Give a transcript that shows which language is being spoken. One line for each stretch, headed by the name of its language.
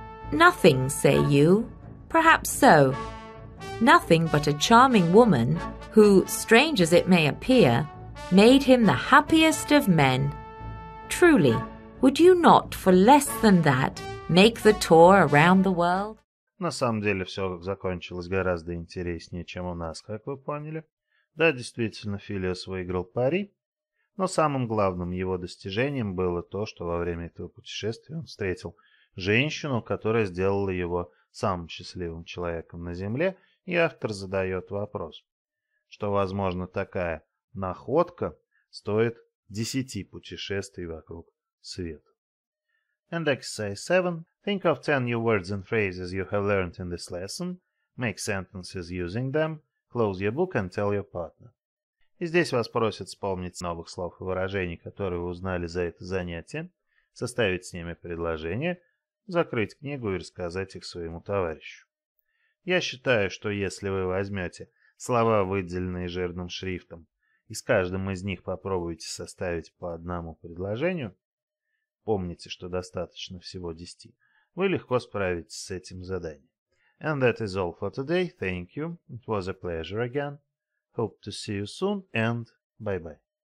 English: Nothing, say you. Perhaps so. Nothing but a charming woman who, strange as it may appear, made him the happiest of men. Truly, would you not, for less than that, make the tour around the world?
Russian: На самом деле все закончилось гораздо интереснее, чем у нас, как вы поняли. Да, действительно, Филиас выиграл пари, но самым главным его достижением было то, что во время этого путешествия он встретил женщину, которая сделала его самым счастливым человеком на Земле, и автор задает вопрос, что, возможно, такая находка стоит 10 путешествий вокруг света.
English: And exercise 7. Think of 10 new words and phrases you have learned in this lesson. Make sentences using them. Close your book and tell your partner.
Russian: И здесь вас просят вспомнить новых слов и выражений, которые вы узнали за это занятие, составить с ними предложение, закрыть книгу и рассказать их своему товарищу. Я считаю, что если вы возьмете слова, выделенные жирным шрифтом, и с каждым из них попробуете составить по одному предложению, помните, что достаточно всего 10, вы легко справитесь с этим заданием.
English: And that is all for today. Thank you. It was a pleasure again. Hope to see you soon and bye-bye.